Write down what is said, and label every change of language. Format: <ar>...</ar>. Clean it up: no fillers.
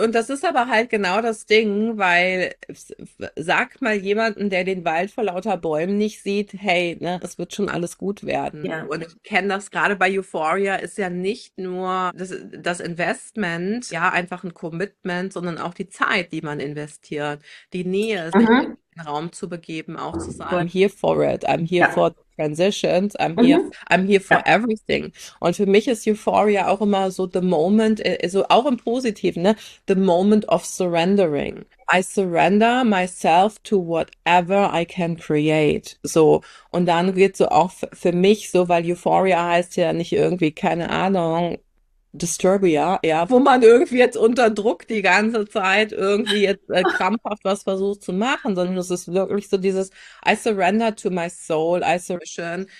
<de>Und das ist aber halt genau das Ding, weil sag mal jemanden, der den Wald vor lauter Bäumen nicht sieht, hey, ne, es wird schon alles gut werden. Ja. Und ich kenne das gerade bei Euphoria, ist ja nicht nur das Investment, ja, einfach ein Commitment, sondern auch die Zeit, die man investiert, die Nähe, sich in den Raum zu begeben, auch zu sagen, Voll.</de> <en>I'm here for it, I'm here</en> <de>Ja.</de> <en>for Transitions, I'm here for everything.</en> <de>Und für mich ist Euphoria auch immer so</de> <en>the moment,</en> <de>also auch im Positiven, ne?</de> <en>The moment of surrendering. I surrender myself to whatever I can create.</en> <de>So. Und dann geht so auch für mich so, weil Euphoria heißt ja nicht irgendwie, keine Ahnung, Disturbia, ja, wo man irgendwie jetzt unter Druck die ganze Zeit irgendwie jetzt krampfhaft was versucht zu machen, sondern es ist wirklich so dieses</de> <en>I surrender to my soul, I surrender.</en>